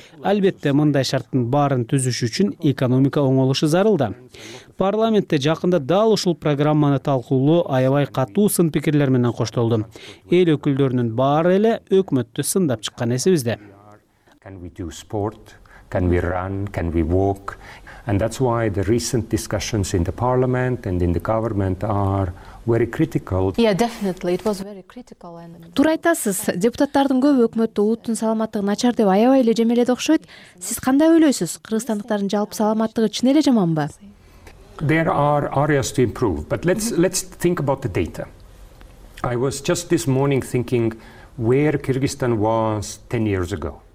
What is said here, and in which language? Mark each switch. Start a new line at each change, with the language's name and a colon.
Kyrgyz: Албетте, мындай шарттын баарын түзүш үчүн экономика оңолушу зарылда. Парламентте жакында дал ушул программаны талкуулоо аябай катуу сын пикирлер менен коштолду. Эл өкүлдөрүнүн баары эле өкмөттү сындап чыккан эсебизде.
English: Can we do sport? Can we run? Can we walk? And that's why the recent discussions in the parliament and in the government are very critical. Yeah, definitely. It was very critical.
Kyrgyz: Туура айтасыз. Депутаттардын көбү өкмөттү улуттун саламаттыгы начар деп аябай эле жемеледи окшойт. Сиз кандай ойлойсуз? Кыргызстандыктардын жалпы саламаттыгы чын эле жаманбы?
English: There are areas to improve, but let's think about the data. I was just this morning thinking where Kyrgyzstan was 10 years ago.